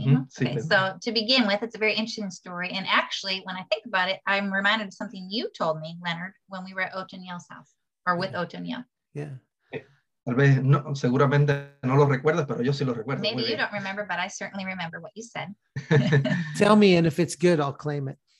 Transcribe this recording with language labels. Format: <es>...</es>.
<en>So, to begin with, it's a very interesting story. And actually, when I think about it, I'm reminded of something you told me, Leonard, when we were at Otoniel's house, or with Otoniel. Yeah.</en> <es>Tal vez, no, seguramente no lo recuerdas, pero yo sí lo recuerdo.</es> <en>Maybe you don't remember, but I certainly remember what you said. Tell me, and if it's good, I'll claim it.</en>